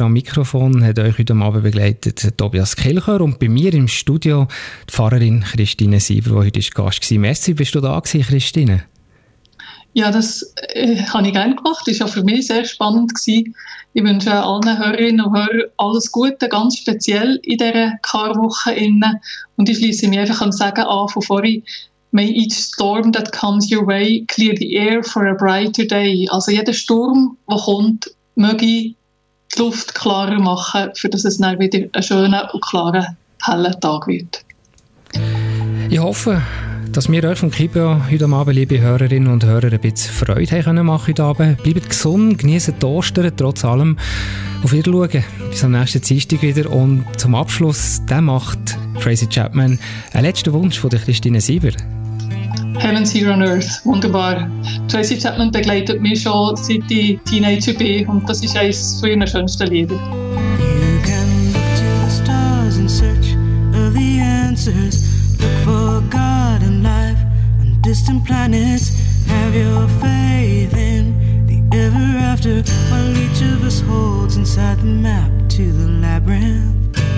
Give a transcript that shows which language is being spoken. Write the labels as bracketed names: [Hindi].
[German] Am Mikrofon hat euch heute Abend begleitet Tobias Kilcher und bei mir im Studio die Pfarrerin Christine Sieber, die heute Gast war. Merci, bist du da gewesen, Christine? Ja, das habe ich gerne gemacht. Das war ja für mich sehr spannend gewesen. Ich wünsche allen Hörerinnen und Hörern alles Gute, ganz speziell in dieser Karwoche. Und ich schließe mich einfach am Sagen an von vorhin. [English] May each storm that comes your way clear the air for a brighter day. [German] Also jeder Sturm, der kommt, möge die Luft klarer machen, für dass es dann wieder ein schöner und klarer, heller Tag wird. Ich hoffe, dass wir euch vom Kibio heute Abend, liebe Hörerinnen und Hörer, ein bisschen Freude haben machen heute Abend. Bleibt gesund, genießen die Ostern, trotz allem auf Wiedersehen. Bis am nächsten Dienstag wieder. Und zum Abschluss, der macht Tracy Chapman einen letzten Wunsch von der Christine Sieber. Heaven's Here on Earth, wunderbar. Tracy Chapman begleitet mich schon seit ich Teenager bin und das ist eines von ihren schönsten Lieder. [English] You can look to the stars in search of the answers. Look for God and life and distant planets. Have your faith in the ever after. While each of us holds inside the map to the labyrinth.